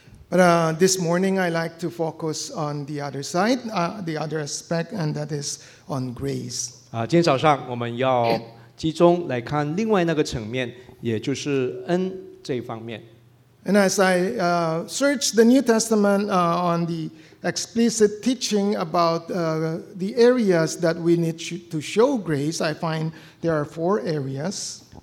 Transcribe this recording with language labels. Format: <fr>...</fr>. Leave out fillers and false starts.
<en>But this morning, I'd like to focus on the other side, the other aspect, and that is on grace.</en> <zh>今天早上我们要 集中来看另外那个层面，也就是恩这方面。</zh> <en>And as I searched the New Testament on the explicit teaching about the areas that we need to show grace, I find there are four areas.</en>